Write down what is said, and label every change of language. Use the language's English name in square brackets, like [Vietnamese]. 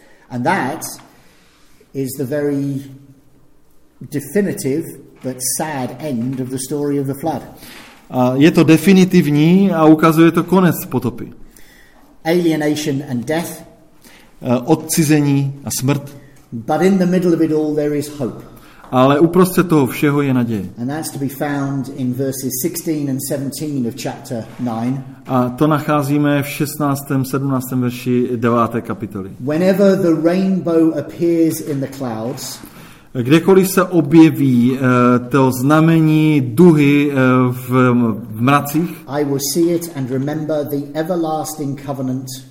[English] And that is the very definitive but sad end of the story of the flood. [Czech] A je to definitivní a ukazuje to konec potopy. [English] Alienation and death. [Czech] Odcizení a smrt. [English] But in the middle of it all there is hope. [Czech] Ale uprostřed toho všeho je naděje. [English] And that's to be found in verses 16 and 17 of chapter 9. [Czech] A to nacházíme v 16. 17. verši 9. kapitoly. [English] Whenever the rainbow appears in the clouds. [Czech] Kdekoliv se objeví to znamení duhy v mracích. [English] I will see it and remember the everlasting covenant.